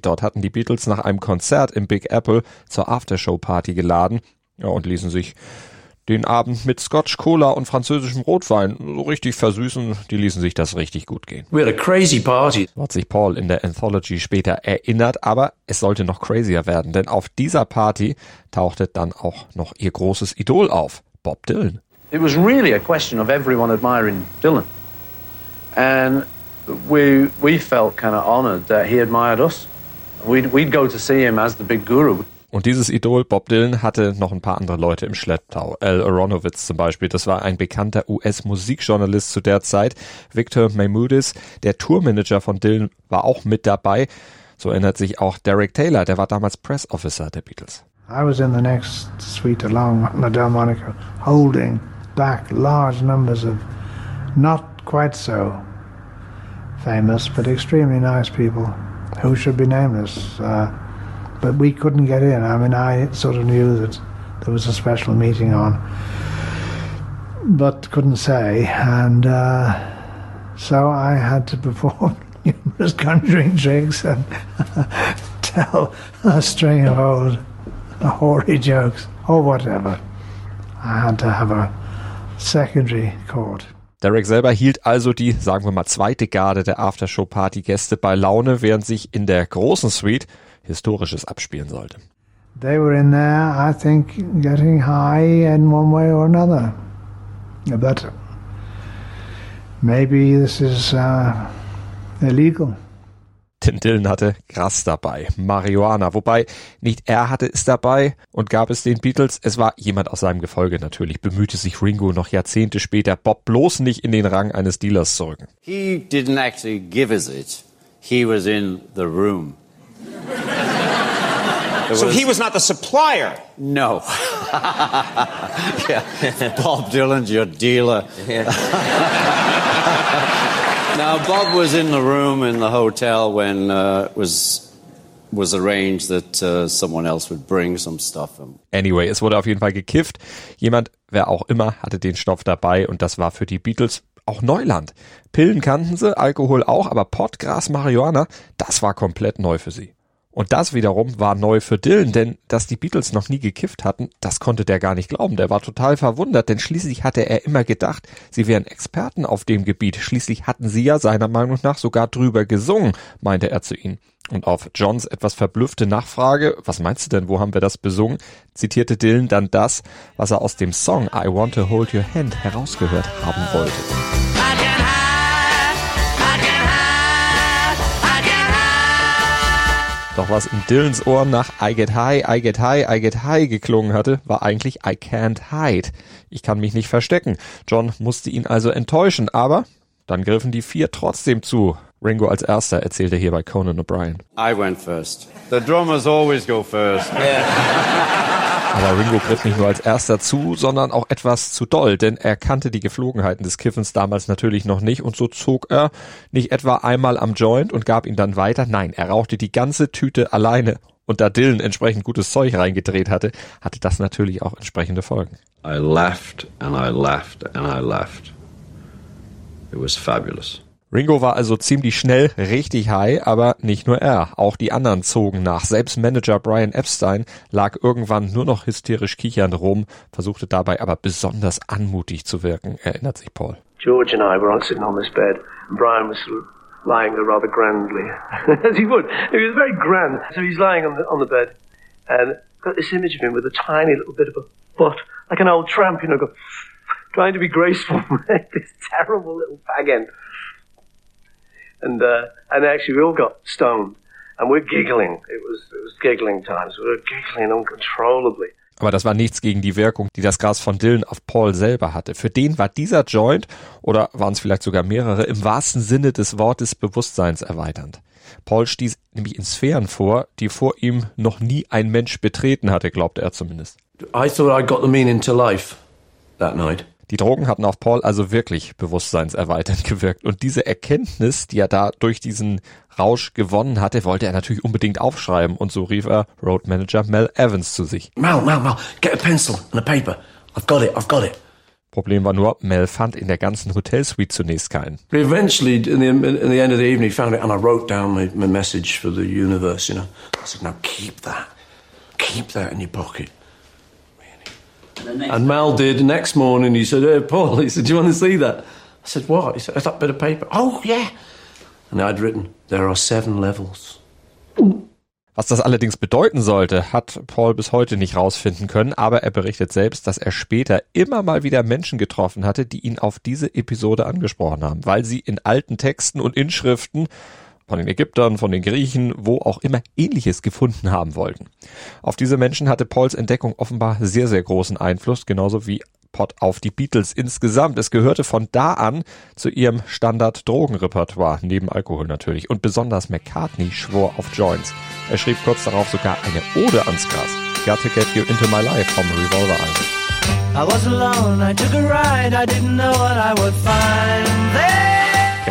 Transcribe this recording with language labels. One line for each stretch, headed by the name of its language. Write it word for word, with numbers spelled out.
German: Dort hatten die Beatles nach einem Konzert im Big Apple zur Aftershow-Party geladen, ja, und ließen sich den Abend mit Scotch, Cola und französischem Rotwein so richtig versüßen. Die ließen sich das richtig gut gehen.
English: We had a crazy party.
German: So hat sich Paul in der Anthology später erinnert, aber es sollte noch crazier werden, denn auf dieser Party tauchte dann auch noch ihr großes Idol auf, Bob Dylan.
English: It was really a question of everyone admiring Dylan. And we we felt kind of honored that he admired us. We'd, we'd go to see him as the big guru.
German: Und dieses Idol Bob Dylan hatte noch ein paar andere Leute im Schlepptau. Al Aronowitz zum Beispiel, das war ein bekannter U S-Musikjournalist zu der Zeit. Victor Maimoudis, der Tourmanager von Dylan, war auch mit dabei. So erinnert sich auch Derek Taylor, der war damals Press Officer der Beatles.
English: I was in the next suite along the Delmonico, holding back large numbers of not quite so famous, but extremely nice people who should be nameless. Uh, But we couldn't get in. I mean, I sort of knew that there was a special meeting on, but couldn't say. And uh, so I had to perform numerous conjuring tricks and tell a string of old hoary jokes or whatever. I had to have a secondary chord.
German: Derek selber hielt also die, sagen wir mal, zweite Garde der Aftershow-Party-Gäste bei Laune, während sich in der großen Suite Historisches abspielen sollte.
English: They were in there, I think, getting high in one way or another. But maybe this is uh, illegal.
German: Denn Dylan hatte Gras dabei, Marihuana, wobei nicht er hatte es dabei und gab es den Beatles. Es war jemand aus seinem Gefolge natürlich, bemühte sich Ringo noch Jahrzehnte später, Bob bloß nicht in den Rang eines Dealers zu rücken.
English: He didn't actually give us it. He was in the room. So was, he was not the supplier? No. Yeah. Bob Dylan's your dealer. Yeah. Now, Bob was in the room in the hotel when uh, it was... was arranged that uh, someone else would bring some stuff.
German: Anyway, es wurde auf jeden Fall gekifft. Jemand, wer auch immer, hatte den Stoff dabei und das war für die Beatles auch Neuland. Pillen kannten sie, Alkohol auch, aber Pott, Gras, Marihuana, das war komplett neu für sie. Und das wiederum war neu für Dylan, denn dass die Beatles noch nie gekifft hatten, das konnte der gar nicht glauben. Der war total verwundert, denn schließlich hatte er immer gedacht, sie wären Experten auf dem Gebiet. Schließlich hatten sie ja seiner Meinung nach sogar drüber gesungen, meinte er zu ihnen. Und auf Johns etwas verblüffte Nachfrage, was meinst du denn, wo haben wir das besungen, zitierte Dylan dann das, was er aus dem Song I Want to Hold Your Hand herausgehört haben wollte. Doch was in Dylans Ohren nach
English: I get high, I get high,
German: I get high geklungen hatte, war eigentlich
English: I can't hide.
German: Ich kann mich nicht verstecken. John musste ihn also enttäuschen, aber dann griffen die vier trotzdem zu. Ringo als erster, erzählte hier bei Conan O'Brien.
English: I went first. The drummers always go first. Yeah.
German: Aber Ringo griff nicht nur als erster zu, sondern auch etwas zu doll, denn er kannte die Geflogenheiten des Kiffens damals natürlich noch nicht und so zog er nicht etwa einmal am Joint und gab ihn dann weiter, nein, er rauchte die ganze Tüte alleine und da Dylan entsprechend gutes Zeug reingedreht hatte, hatte das natürlich auch entsprechende Folgen.
English: I laughed and I laughed and I laughed. It was fabulous.
German: Ringo war also ziemlich schnell richtig high, aber nicht nur er, auch die anderen zogen nach. Selbst Manager Brian Epstein lag irgendwann nur noch hysterisch kichernd rum, versuchte dabei aber besonders anmutig zu wirken, erinnert sich Paul. George and I were all sitting on this bed and Brian was lying there rather grandly, as he would. He was very grand, so he's lying on the, on the bed and got this image of him with a tiny little bit of a butt, like an old tramp, you know, go, trying to be graceful with this terrible little fag end. And uh, and actually we all got stoned and we're giggling. It was it was giggling times. We were giggling uncontrollably. Aber das war nichts gegen die Wirkung, die das Gras von Dylan auf Paul selber hatte. Für den war dieser Joint, oder waren es vielleicht sogar mehrere, im wahrsten Sinne des Wortes bewusstseinserweiternd. Paul stieß nämlich in Sphären vor, die vor ihm noch nie ein Mensch betreten hatte, glaubte er zumindest.
English: I thought I got the meaning to life that night.
German: Die Drogen hatten auf Paul also wirklich bewusstseinserweiternd gewirkt. Und diese Erkenntnis, die er da durch diesen Rausch gewonnen hatte, wollte er natürlich unbedingt aufschreiben. Und so rief er Road Manager Mel Evans zu sich.
English: Mel, Mel, Mel, get a pencil and a paper. I've got it, I've got it.
German: Problem war nur, Mel fand in der ganzen Hotelsuite zunächst keinen.
English: But eventually, in the, in the end of the evening, he found it and I wrote down my, my message for the universe, you know. I said, now keep that. Keep that in your pocket. And Mal did. Next morning, he said, hey, Paul, he said, do you want to see that? I said, what? He said, that's that bit of paper. Oh, yeah. And I'd written, there are seven levels.
German: Was das allerdings bedeuten sollte, hat Paul bis heute nicht rausfinden können, aber er berichtet selbst, dass er später immer mal wieder Menschen getroffen hatte, die ihn auf diese Episode angesprochen haben, weil sie in alten Texten und Inschriften von den Ägyptern, von den Griechen, wo auch immer Ähnliches gefunden haben wollten. Auf diese Menschen hatte Pauls Entdeckung offenbar sehr, sehr großen Einfluss, genauso wie Pott auf die Beatles insgesamt. Es gehörte von da an zu ihrem Standard-Drogenrepertoire, neben Alkohol natürlich. Und besonders McCartney schwor auf Joints. Er schrieb kurz darauf sogar eine Ode ans Gras. Got to Get You Into My Life vom Revolver-Album.
English: I was alone, I took a ride, I didn't know what I would find there.